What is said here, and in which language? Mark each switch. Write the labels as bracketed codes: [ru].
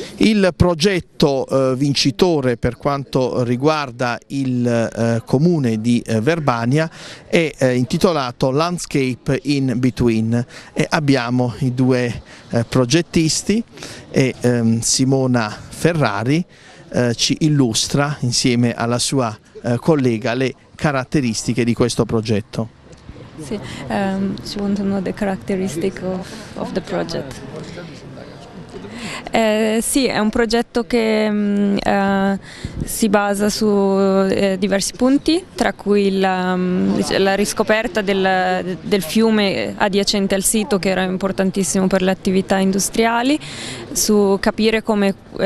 [it] Il progetto vincitore per quanto riguarda il comune di Verbania è intitolato Landscape in Between e abbiamo i due progettisti e Simona Ferrari ci illustra insieme alla sua collega le caratteristiche di questo progetto. [en] Sì, she wants to know the characteristic of the project. [it] Sì, è un progetto che si basa su diversi punti, tra cui la riscoperta del fiume adiacente al sito, che era importantissimo per le attività industriali, su capire come